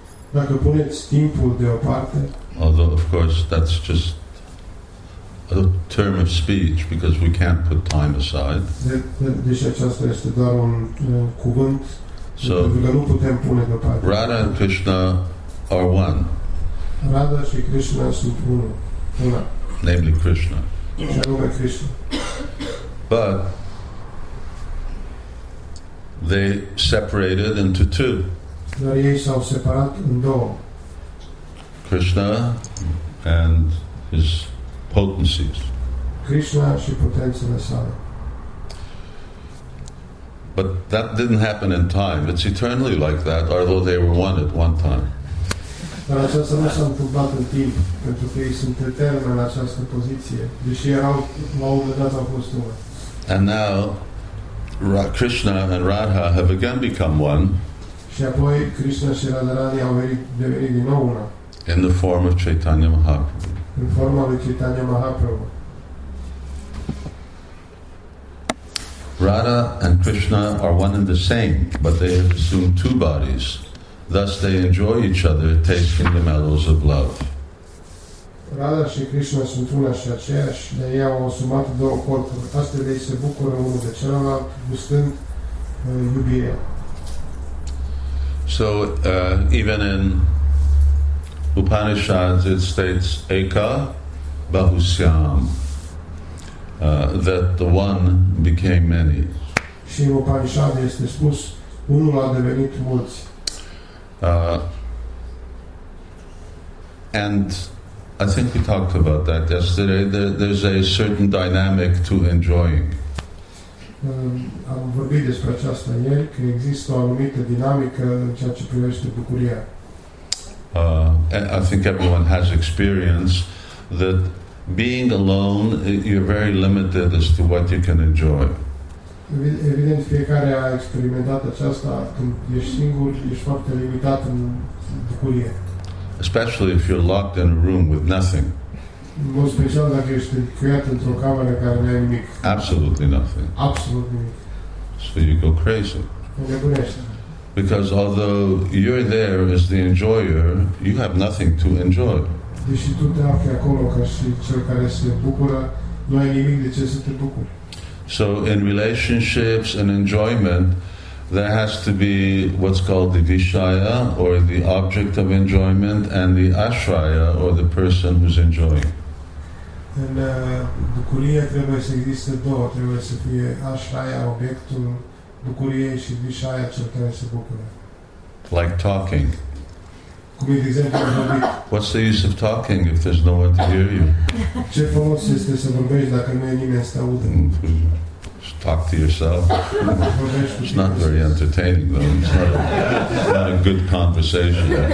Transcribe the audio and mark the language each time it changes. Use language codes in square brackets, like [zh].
[ro] dacă puneți timpul deoparte, [en] although of course that's just a term of speech because we can't put time aside, [ro] deci aceasta este doar un cuvânt, so pentru că nu putem pune deoparte. [en] Radha and Krishna are one. [ro] Radha și Krishna sunt una. [en] Namely Krishna. [ro] Krishna. [en] But they separated into two. [ro] Dar ei s-au separat în două. [en] Krishna and his potencies. [ro] Krishna și potențele sale. [en] But that didn't happen in time. It's eternally like that, although they were one at one time. [ro] Dar aceasta nu s-a întâmplat în timp, pentru că ei sunt eterni în această poziție, deși erau, la un moment dat, au fost una. [en] And now, Krishna and Radha have again become one. [ro] Și apoi, Krishna și Radharani au devenit din nou una. [en] In the form of Chaitanya Mahaprabhu. [ro] În forma lui Chaitanya Mahaprabhu. [en] Radha and Krishna are one and the same, but they have assumed two bodies. Thus they enjoy each other, tasting the mellows of love. [ro] Radha și Krishna sunt una și aceeași, de ei au asumat două corpuri. Astfel ei se bucură unul de celălalt, gustând iubirea. [en] So, even in Upanishads, it states Eka Bahusyam, that the one became many. [ro] Și în Upanishad este spus, unul a devenit mulți. [en] And I think we talked about that yesterday. There's a certain dynamic to enjoying. [ro] Am vorbit despre aceasta ieri, că există o anumită dinamică în ceea ce privește bucuria. [en] I think everyone has experience that being alone, you're very limited as to what you can enjoy. [ro] Evident, fiecare a experimentat aceasta. Când ești singur, ești foarte limitat în bucurie. [en] Especially if you're locked in a room with nothing. [ro] În mod special dacă ești încuiat într-o cameră care nu ai nimic. [en] Absolutely nothing. [ro] Absolut nimic. [en] So you go crazy. [ro] Nebunește. [en] Because although you're there as the enjoyer, you have nothing to enjoy. [ro] Deși tu te afli acolo ca și cel care se bucură, nu ai nimic de ce să te bucuri. [en] So in relationships and enjoyment, there has to be what's called the vishaya, or the object of enjoyment, and the ashraya, or the person who's enjoying. [ro] În bucurie trebuie să existe două. Trebuie să fie ashraya, obiectul bucuriei, și vishaya, cel care se bucură. [en] Like talking. [ro] Cum e, de exemplu, [en] what's the use of talking if there's no one to hear you? [ro] Ce folos este să vorbești dacă nu e nimeni să te audă? [en] Talk to yourself. It's not very entertaining, though. It's not a good conversation.